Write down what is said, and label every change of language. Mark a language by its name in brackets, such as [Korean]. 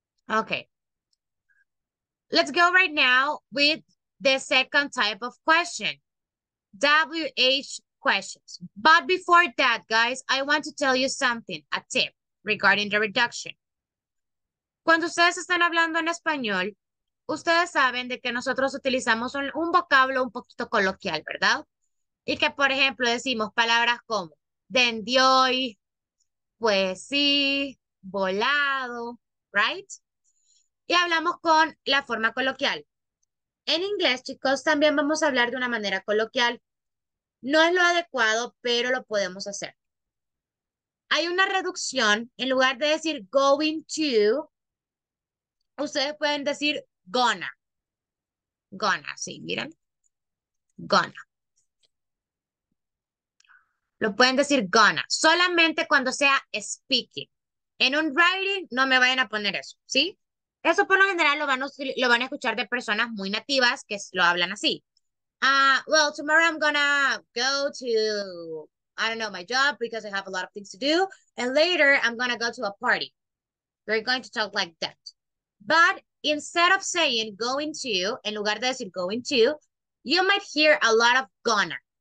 [English] Okay. Let's go right now with the second type of question. WH questions. But before that, guys, I want to tell you something, a tip. Regarding the reduction. [Spanish] Cuando ustedes están hablando en español, ustedes saben de que nosotros utilizamos un vocablo un poquito coloquial, ¿verdad? Y que, por ejemplo, decimos palabras como dendioy, pues sí, volado, right? y hablamos con la forma coloquial. En inglés, chicos, también vamos a hablar de una manera coloquial. No es lo adecuado, pero lo podemos hacer. Hay una reducción. En lugar de decir going to, ustedes pueden decir gonna. Gonna, sí, miren. Gonna. Lo pueden decir gonna. Solamente cuando sea speaking. En un writing, no me vayan a poner eso, ¿sí? Eso por lo general lo van a escuchar de personas muy nativas que lo hablan así. [English] Well, tomorrow I'm gonna go to, I don't know, my job because I have a lot of things to do. And later, I'm gonna go to a party. We're going to talk like that. But instead of saying going to, [Spanish] en lugar de decir [English] going to, you might hear a lot of gonna.